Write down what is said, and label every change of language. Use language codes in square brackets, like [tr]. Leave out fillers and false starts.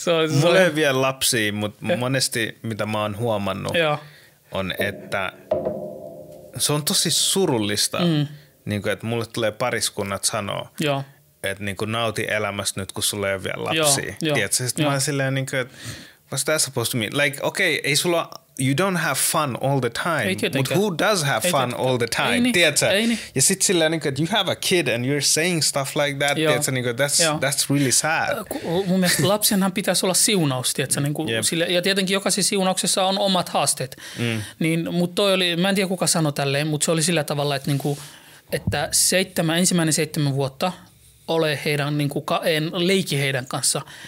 [fi] Mulla ei vielä lapsia, mutta monesti mitä mä oon huomannut on, että se on tosi surullista, niin kuin, että mulle tulee pariskunnat sanoa, että niin kuin nauti elämästä nyt, kun sulla ei ole vielä lapsia. Tiedätkö? Sitten mä oon silleen, niin kuin, että [en] what's that supposed to mean? Like, [fi] okei, ei sulla... [en] You don't have fun all the time, but who does have fun all the time? [fi] Tiedätkö? Ja sit silleen, niin kuin, että [en] you have a kid and you're saying stuff like that, [fi] tiedätkö? Niin kuin, [en] that's really sad. [fi] Mun mielestä lapsenhan pitäisi olla siunaus, tiedätkö? Niin kuin, sille, ja tietenkin jokaisessa siunauksessa on omat haasteet. Niin, mut toi oli, mä en tiedä kuka sanoi tälleen, mutta se oli sillä tavalla, että, niin kuin, että ensimmäinen seitsemän vuotta ole heidän, niin kuin, en leiki heidän kanssa.